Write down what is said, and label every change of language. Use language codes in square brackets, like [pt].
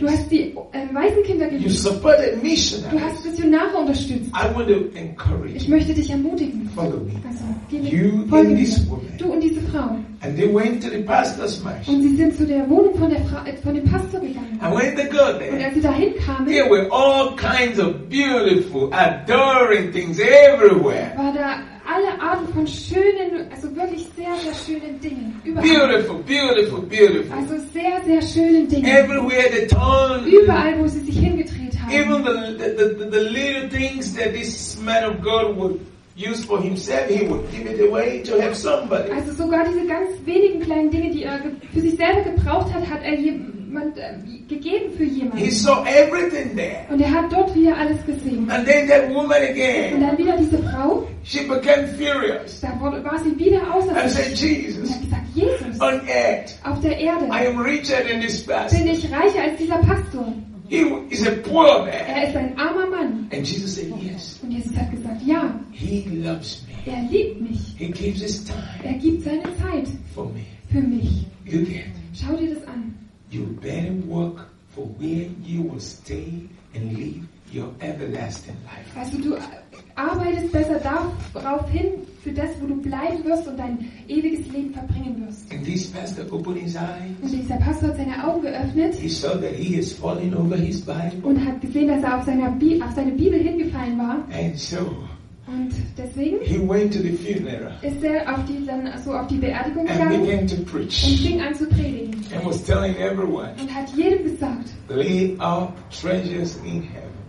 [de] Du hast die Waisenkinder geliebt. [en] You supported missionaries. [de] Du hast Missionare unterstützt. [en] I want to encourage [de] ich möchte dich ermutigen. [en] Follow me. [de] Also, [en] you [de] folge [en] and this [de] mir. [en] Woman. [de] Du und diese Frau. [en] And they went to the pastor's mansion. [de] Und sie sind zu der Wohnung von, der Frau, von dem Pastor gegangen. [en] And when they got there, [de] und als sie dahin kamen, [en] there were all kinds of beautiful, adoring things everywhere. [de] War da alle Arten von schönen, also wirklich sehr, sehr schönen Dingen. Überall. [en] Beautiful, beautiful, beautiful. [de] Also sehr, sehr schönen Dingen. [en] Everywhere they turned. [de] Überall, wo sie sich hingedreht haben. [en] Even the little things that this man of God would use for himself, he would give it away to help somebody. [de] Also sogar diese ganz wenigen kleinen Dinge, die er für sich selber gebraucht hat, hat er jemandem gegeben für jemanden. [en] He saw everything there. [de] Und er hat dort wieder alles gesehen. [en] And then that woman again. [de] Und dann wieder diese Frau. [en] She became furious. [de] Da war sie wieder außer sich. [en] And said, Jesus. [de] Und hat gesagt, Jesus. Auf der Erde. [en] I am richer than this pastor. [de] Bin ich reicher als dieser Pastor? [en] He is a poor man. [de] Er ist ein armer Mann. [en] And Jesus said, yes. [de] Und Jesus hat gesagt, ja. [en] He loves me. [de] Er liebt mich. [en] He gives his time. [de] Er gibt seine Zeit. [en] For me. [de] Für mich. [en] You get. [de] Schau dir das an. [en] You better work for where you will stay and live your everlasting life. [de] Also du arbeitest besser darauf hin, für das, wo du bleiben wirst und dein ewiges Leben verbringen wirst. [en] And this pastor opened his eyes. [de] Und dieser Pastor hat seine Augen geöffnet. [en] He saw that he is falling over his Bible. [de] Und hat gesehen, dass er auf seine Bibel hingefallen war. [en] And so. [de] Und deswegen [en] he went to the funeral [de] ist er auf die Beerdigung gegangen und fing an zu predigen [en] and was telling everyone, [de] und hat jedem gesagt, [en] lay up treasures in heaven.